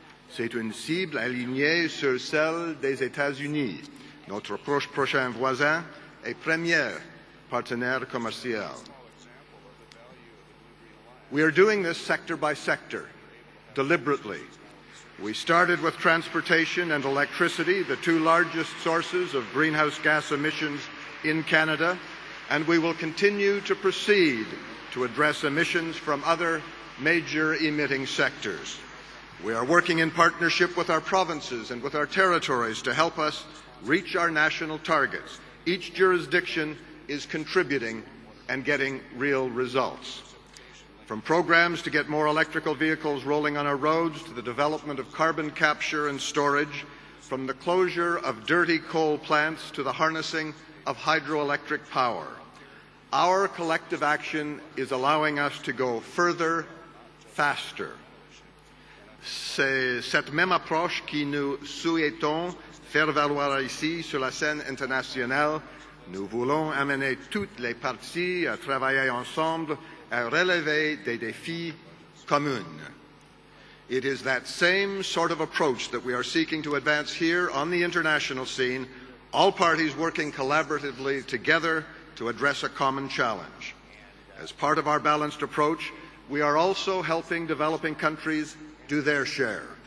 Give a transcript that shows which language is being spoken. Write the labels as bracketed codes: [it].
[fr] C'est une cible alignée sur celle des États-Unis, notre proche prochain voisin et premier partenaire commercial. [en] We are doing this sector by sector, deliberately. We started with transportation and electricity, the two largest sources of greenhouse gas emissions in Canada, and we will continue to proceed to address emissions from other major emitting sectors. We are working in partnership with our provinces and with our territories to help us reach our national targets. Each jurisdiction is contributing and getting real results. From programs to get more electrical vehicles rolling on our roads, to the development of carbon capture and storage, from the closure of dirty coal plants to the harnessing of hydroelectric power, our collective action is allowing us to go further, faster. [fr] C'est cette même approche qui nous souhaitons faire valoir ici sur la scène internationale. Nous voulons amener toutes les parties à travailler ensemble à relever des défis communs. [en] It is that same sort of approach that we are seeking to advance here on the international scene, all parties working collaboratively together to address a common challenge. As part of our balanced approach, we are also helping developing countries do their share.